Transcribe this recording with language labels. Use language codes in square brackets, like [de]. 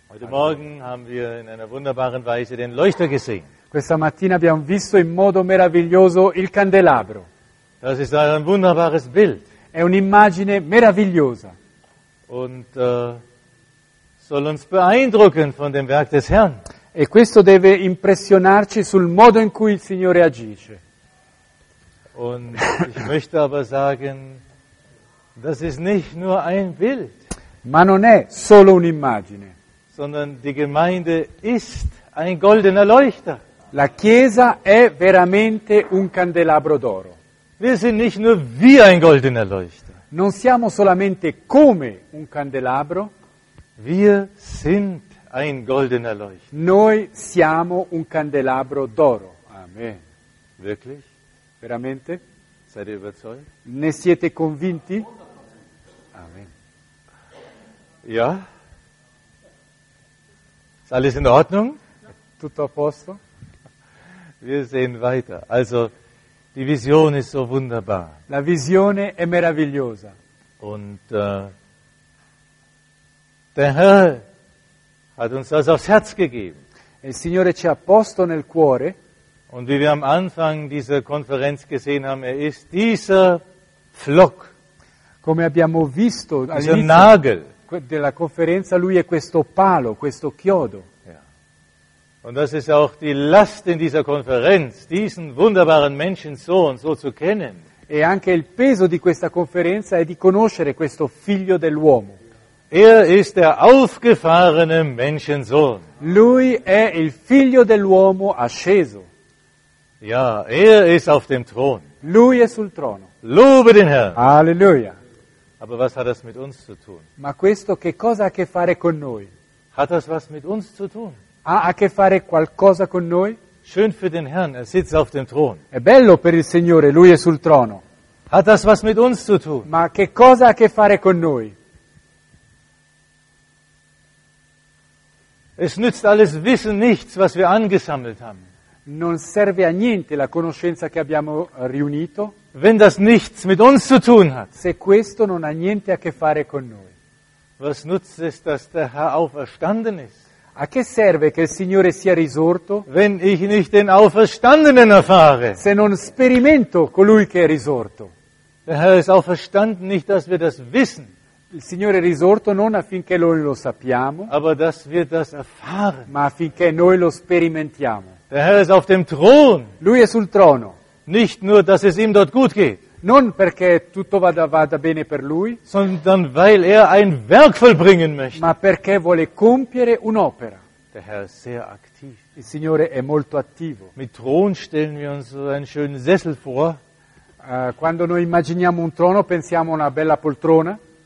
[de] Heute Morgen haben wir in einer wunderbaren Weise den Leuchter gesehen. [it] Questa mattina abbiamo visto in modo meraviglioso il candelabro. [de] Das ist ein wunderbares Bild. [it] È un'immagine meravigliosa. [de] Und soll uns beeindrucken von dem Werk des Herrn. [it] E questo deve impressionarci sul modo in cui il Signore agisce. [de] Und ich möchte aber sagen, das ist nicht nur ein Bild. [it] Ma non è solo un'immagine. [de] Sondern die Gemeinde ist ein goldener Leuchter. [it] La Chiesa è veramente un candelabro d'oro. [de] Wir sind nicht nur wie ein goldener Leuchter. [it] Non siamo solamente come un candelabro. [de] Wir sind ein goldener Leuchter. [it] Noi siamo un candelabro d'oro. [de] Amen. Wirklich? [it] Veramente? [de] Seid ihr überzeugt? [it] Ne siete convinti? [de] Amen. Ja? Ist alles in Ordnung? [it] Tutto a posto? [de] Wir sehen weiter. Also, die Vision ist so wunderbar. [it] La visione è meravigliosa. [de] Und der Herr hat uns das aufs Herz gegeben. [it] Il Signore ci ha posto nel cuore. [de] Und wie wir am Anfang dieser Konferenz gesehen haben, er ist dieser Pflock. [it] Come abbiamo visto all'inizio [de] dieser Nagel. [it] Della conferenza, lui è questo palo, questo chiodo. [de] Ja. Und das ist auch die Last in dieser Konferenz, diesen wunderbaren Menschen so und so zu kennen. [it] E anche il peso di questa conferenza è di conoscere questo figlio dell'uomo. [de] Er ist der aufgefahrene Menschensohn. [it] Lui è il figlio dell'uomo asceso. [de] Ja, er ist auf dem Thron. [it] Lui è sul trono. [de] Lobe den Herrn. [it] Alleluia. [de] Aber was hat das mit uns zu tun? [it] Ma questo che cosa ha a che fare con noi? [de] Hat das was mit uns zu tun? [it] Ha a che fare qualcosa con noi? [de] Schön für den Herrn, er sitzt auf dem Thron. [it] È bello per il Signore, lui è sul trono. [de] Hat das was mit uns zu tun? [it] Ma che cosa ha a che fare con noi? [de] Es nützt alles Wissen nichts, was wir angesammelt haben. [it] Non serve a niente la conoscenza che abbiamo riunito. [de] Wenn das nichts mit uns zu tun hat. [it] Se questo non ha niente a che fare con noi. [de] Was nutzt es, dass der Herr auferstanden ist? [it] A che serve che il Signore sia risorto? [de] Wenn ich nicht den Auferstandenen erfahre. [it] Se non sperimento colui che è risorto. [de] Der Herr ist auferstanden, nicht dass wir das wissen. [it] Il Signore è risorto non affinché noi lo sappiamo. [de] Aber dass wir das erfahren. [it] Ma affinché noi lo sperimentiamo. [de] Der Herr ist auf dem Thron. [it] Lui è sul trono. [de] Nicht nur, dass es ihm dort gut geht. [it] Non perché tutto vada bene per lui. [de] Sondern weil er ein Werk vollbringen möchte. [it] Ma perché vuole compiere un'opera. [de] Der Herr ist sehr aktiv. [it] Il Signore è molto attivo. [de] Mit Thron stellen wir uns einen schönen Sessel vor. [it] Quando noi immaginiamo un trono, pensiamo a una bella poltrona.